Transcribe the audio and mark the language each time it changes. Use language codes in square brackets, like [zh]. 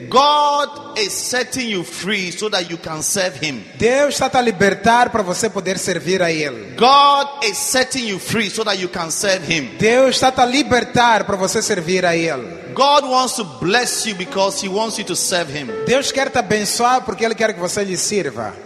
[en] God is setting you free so that you can serve him. [pt] Deus está a libertar para você poder servir a ele. [en] God is setting you free so that you can serve him. [pt] Deus está a libertar para você servir a ele. [en] God wants to bless you because he wants you to serve him. [pt] Deus quer te abençoar porque ele quer que você lhe sirva.